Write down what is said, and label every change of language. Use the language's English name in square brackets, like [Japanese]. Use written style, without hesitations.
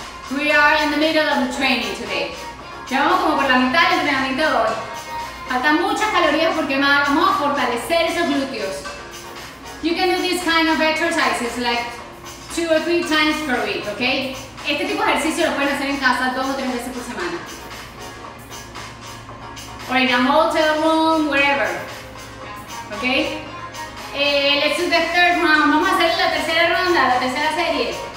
[English] We are in the middle of the training today. [Spanish] Llevamos como por la mitad del entrenamiento de hoy. Faltan muchas calorías por quemar. Vamos a fortalecer esos glúteos. [English] You can do this kind of exercises like 2 or 3 times per week, okay? [Spanish] Este tipo de ejercicio lo pueden hacer en casa 2 o 3 veces por semana. [English] Or in a motel room, wherever. Okay? Let's do the third round. [Spanish] Vamos a hacer la tercera ronda, la tercera serie.